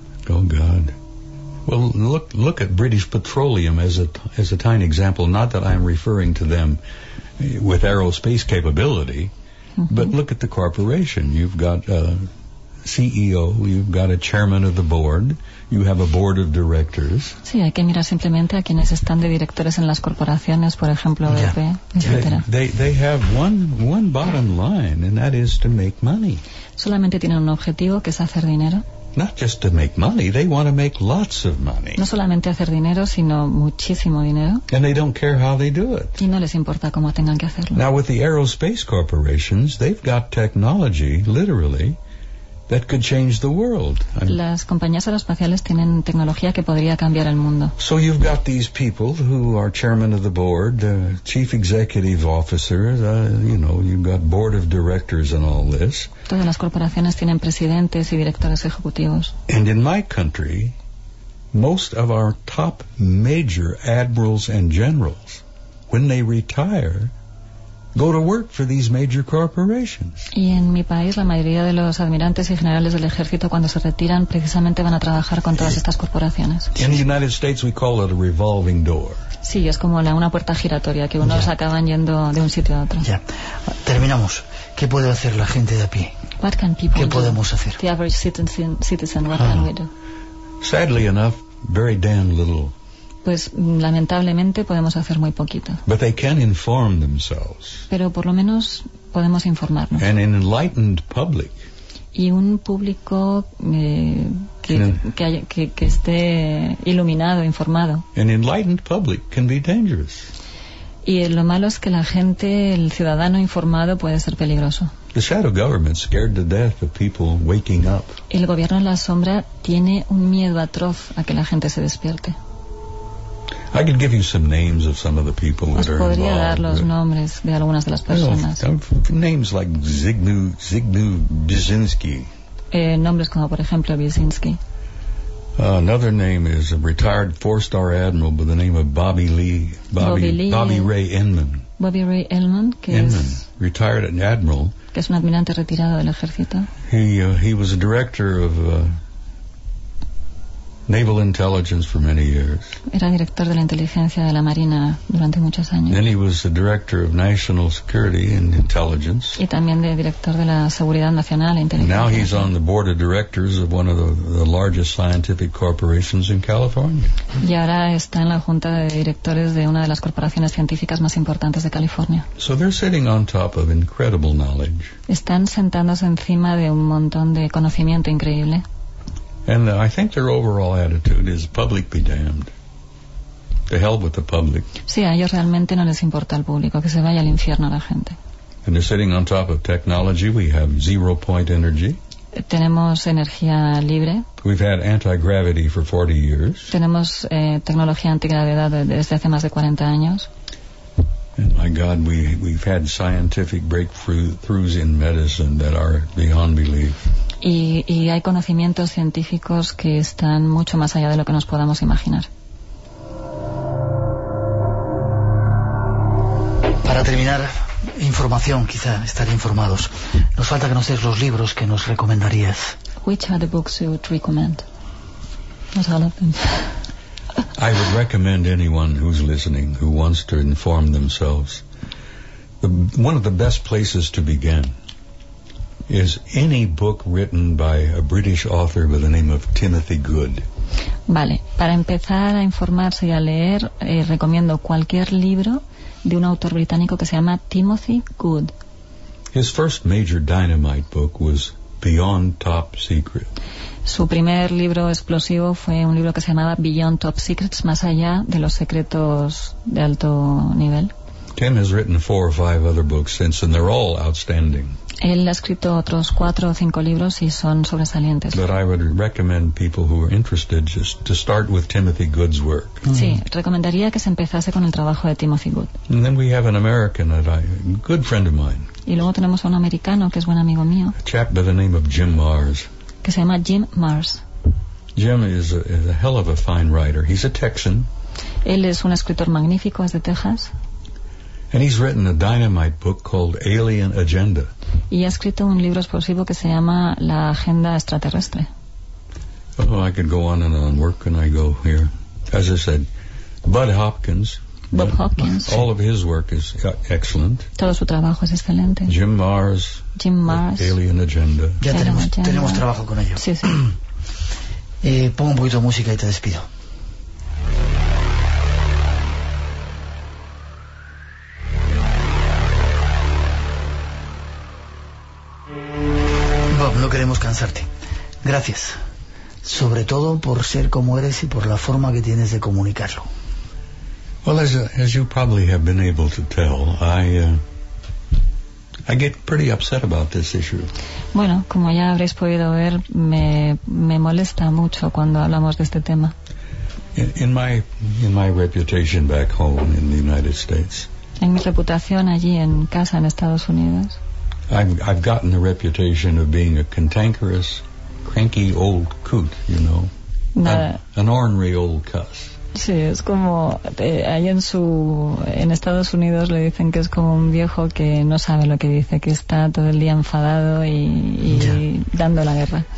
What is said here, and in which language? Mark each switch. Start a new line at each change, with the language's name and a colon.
English: Oh, God. Well, look at British Petroleum as a tiny example. Not that I'm referring to them with aerospace capability, mm-hmm. but look at the corporation. You've got... CEO, you've got a chairman of the board, you have a board of directors.
Spanish: Sí, hay que mirar simplemente a quienes están de directores en las corporaciones, por ejemplo, BP, etc.
English: They have one bottom line, and that is to make money.
Spanish: Solamente tienen un objetivo, que es hacer dinero.
English: Not just to make money, they want to make lots of money.
Spanish: No solamente hacer dinero, sino muchísimo dinero.
English: And they don't care how they do it.
Spanish: Y no les importa cómo tengan que hacerlo.
English: Now, with the aerospace corporations, they've got technology, literally, that could change the world.
Spanish: Las compañías aeroespaciales tienen tecnología que podría cambiar el mundo.
English: So you've got these people who are chairman of the board, chief executive officer, you know, you've got board of directors and all this.
Spanish: Todas las corporaciones tienen presidentes y directores ejecutivos.
English: And in my country, most of our top major admirals and generals, when they retire, go to work for these major corporations.
Spanish: Y en mi país la mayoría de los admirantes y generales del ejército cuando se retiran precisamente van a trabajar con todas estas corporaciones.
English: In the United States we call it a revolving door.
Spanish: Sí, es como una puerta giratoria que unos acaban yendo de un sitio a otro. Ya. Terminamos. ¿Qué puede hacer la gente de a pie?
English: What can people
Spanish: ¿Qué podemos hacer?
English: The average citizen, what can we do? Sadly enough, very damn little.
Spanish: Pues lamentablemente podemos hacer muy poquito.
English: But they can inform themselves.
Spanish: Pero por lo menos podemos informarnos.
English: And an enlightened public.
Spanish: Y un público que esté iluminado, informado.
English: An enlightened public can be dangerous.
Spanish: Y lo malo es que la gente, el ciudadano informado, puede ser peligroso.
English: The shadow government scared to death of people waking up.
Spanish: El gobierno en la sombra tiene un miedo atroz a que la gente se despierte.
English: I could give you some names of some of the people that
Spanish: Os
English: are involved.
Spanish: Podría dar los nombres de algunas de las personas.
English: Names like Zygmunt Bžezinski.
Spanish: Nombres como, por ejemplo, Bžezinski.
English: Another name is a retired four-star admiral by the name of Bobby Ray Enman. Enman, retired an admiral.
Spanish: Que es un almirante retirado del ejército.
English: He was a director of. Naval intelligence for many years.
Spanish: Era director de la inteligencia de la Marina durante muchos años.
English: Then he was the director of national security and intelligence.
Spanish: Y también de director de la seguridad nacional e inteligencia.
English: Now he's on the board of directors of one of the largest scientific corporations in California.
Spanish: Y ahora está en la junta de directores de una de las corporaciones científicas más importantes de California.
English: So they're sitting on top of incredible knowledge.
Spanish: Están sentándose encima de un montón de conocimiento increíble.
English: And I think their overall attitude is public be damned. To hell with the public.
Spanish: Sí, a ellos realmente no les importa el público, que se vaya al infierno la gente.
English: And they're sitting on top of technology. We have zero-point energy.
Spanish: Tenemos energía libre.
English: We've had anti-gravity for 40 years.
Spanish: Tenemos tecnología antigravedad desde hace más de 40 años.
English: And my God, we've had scientific breakthroughs in medicine that are beyond belief.
Spanish: Y hay conocimientos científicos que están mucho más allá de lo que nos podamos imaginar. Para terminar, información, quizá estar informados. Nos falta que nos des los libros que nos recomendarías.
English: Which are the books you would recommend? Not all of them. I would recommend anyone who's listening who wants to inform themselves, one of the best places to begin is any book written by a British author by the name of Timothy Good.
Spanish: Vale, para empezar a informarse y a leer, recomiendo cualquier libro de un autor británico que se llama Timothy Good.
English: His first major dynamite book was Beyond Top Secret.
Spanish: Su primer libro explosivo fue un libro que se llamaba Beyond Top Secrets, más allá de los secretos de alto nivel.
English: Tim has written four or five other books since, and they're all outstanding.
Spanish: Él ha escrito otros cuatro o cinco libros y son sobresalientes.
English: But I would recommend people who are interested just to start with Timothy Good's work. Mm-hmm.
Spanish: Sí, recomendaría que se empezase con el trabajo de Timothy Good.
English: And then we have an American that I, a good friend of mine.
Spanish: Y luego tenemos a un americano que es buen amigo mío.
English: A chap by the name of Jim Mars.
Spanish: Que se llama Jim Mars.
English: Jim is a hell of a fine writer. He's a Texan.
Spanish: Él es un escritor magnífico, es de Texas.
English: And he's written a dynamite book called Alien Agenda.
Spanish: Y ha escrito un libro explosivo que se llama La Agenda Extraterrestre.
English: Oh, I could go on and on. Where can I go here? As I said, Bud Hopkins. All of his work is excellent.
Spanish: Todo su trabajo es excelente. Jim Mars. Alien Agenda. Ya tenemos trabajo con ello. Sí, sí. Pongo un poquito de música y te despido. No queremos cansarte. Gracias. Sobre todo por ser como eres y por la forma que tienes de comunicarlo.
English: Well, as you probably have been able to tell, I get pretty upset about this issue.
Spanish: Bueno, como ya habréis podido ver, me molesta mucho cuando hablamos de este tema.
English: In my reputation back home in the United States.
Spanish: En mi reputación allí en casa en Estados Unidos.
English: I've gotten the reputation of being a cantankerous, cranky old coot, you know. An ornery old cuss.
Spanish: Sí, es como ahí en Estados Unidos le dicen que es como un viejo que no sabe lo que dice, que está todo el día enfadado y dando la guerra.